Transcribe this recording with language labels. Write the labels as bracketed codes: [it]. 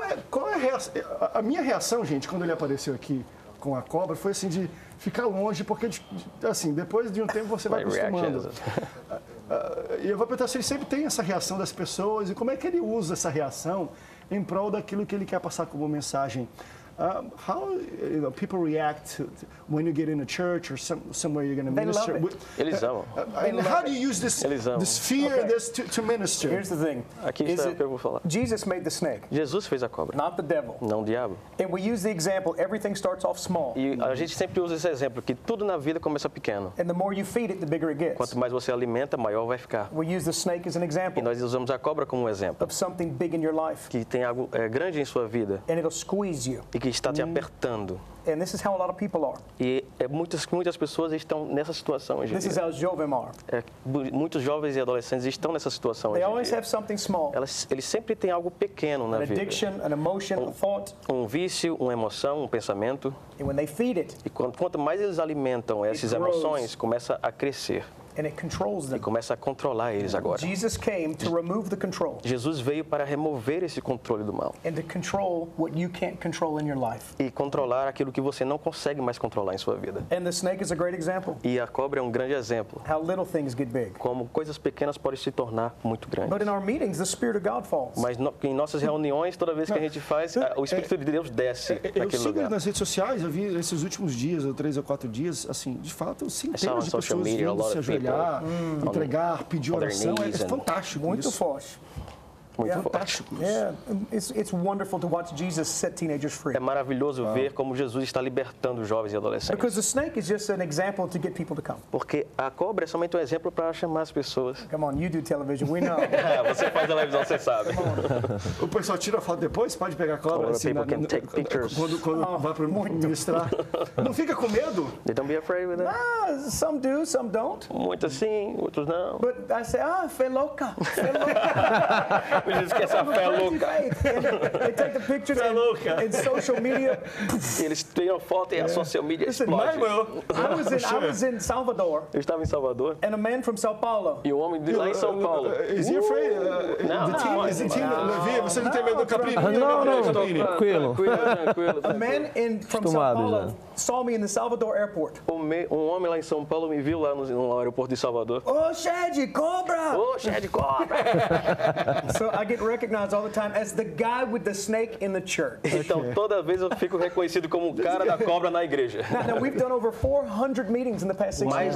[pt] Qual é a reação? A minha reação, gente, quando ele apareceu aqui com a cobra, foi assim de ficar longe, porque assim, depois de um tempo você vai acostumando. E eu vou perguntar se ele sempre tem essa reação das pessoas e como é que ele usa essa reação em prol daquilo que ele quer passar como mensagem. [en] How you know, people react to when you get in a church or somewhere you're going to minister? They love it. [pt] Eles amam. [en] And how do you use this fear, okay, this to minister? Here's the thing. [pt] Aqui está o que eu vou falar. [en] Jesus made the snake. [pt] Jesus fez a cobra. [en] Not the devil. [pt] Não o diabo. [en] And we use the example. Everything starts off small. [pt] E a gente sempre usa esse exemplo que tudo na vida começa pequeno. [en] And the more you feed it, the bigger it gets. [pt] Quanto mais você alimenta, maior vai ficar. [en] We use the snake as an example. [pt] E nós usamos a cobra como exemplo. [en] Of something big in your life. [pt] Que tem algo grande em sua vida. [en] And it'll squeeze you. [pt] Que está te apertando. [en] And this is how a lot of people are. [pt] E muitas pessoas estão nessa situação hoje. [en] This is how jovens are. [pt] Muitos jovens e adolescentes estão nessa situação hoje. [en] They always have something small. [pt] Eles sempre têm algo pequeno na vida. [en] An addiction, an emotion, a thought. [pt] Um vício, uma emoção, um pensamento. [en] And when they feed it. [pt] E quanto mais eles alimentam essas emoções, começa a crescer. [en] And it controls them. [pt] E começa a controlar eles agora. [en] Jesus came to remove the control. [pt] Jesus veio para remover esse controle do mal. [en] And to control what you can't control in your life. [pt] E controlar aquilo que você não consegue mais controlar em sua vida. [en] And the snake is a great example. [pt] E a cobra é um grande exemplo. [en] How little things get big. [pt] Como coisas pequenas podem se tornar muito grandes. [en] But in our meetings, the Spirit of God falls. [pt] Mas em nossas reuniões, toda vez que a gente faz, o Espírito de Deus desce naquele lugar. Eu sigo nas redes sociais, eu vi esses últimos dias, ou 3 ou 4 dias, assim, de fato, centenas de pessoas vindo se ajoelhar. Entregar, pedir oração, é fantástico. Muito isso. Forte. Muito fantástico. [en] It's wonderful to watch Jesus set teenagers free. [pt] É maravilhoso ver como Jesus está libertando jovens e adolescentes. [en] Because the snake is just an example to get people to come. [pt] Porque a cobra é somente um exemplo para chamar as pessoas. [en] Come on, you do television, we know. [pt] Você faz televisão, você sabe. O pessoal tira foto depois, pode pegar a cobra. [en] Assim, people can take pictures. [pt] Quando vai para ministrar. Não fica com medo? [en] They don't be afraid with it. Ah, some do, some don't. [pt] Muitos sim, outros não. [en] But I say, [pt] fé louca. Eu disse que essa fé louca. [en] They take the pictures in social media. [pt] Eles tiram foto e a social media explode. [en] I was in Salvador. [pt] Eu estava em Salvador. [en] And a man from São Paulo. [pt] E um homem de lá em São Paulo. [en] Is he afraid? Não. The team, is the team, Levi, [pt] você não tem medo do Caprini? Não, tranquilo. [en] A man from São Paulo saw me in the Salvador airport. [pt] Um homem lá em São Paulo me viu lá no aeroporto de Salvador. Oh, Shed, cobra! Oh, Shed, cobra! [en] So I get recognized all the time as the guy with the snake in the church. [pt] Então toda vez eu fico reconhecido como o cara da cobra na igreja. [en] Now we've done over 400 meetings in the past 6 years.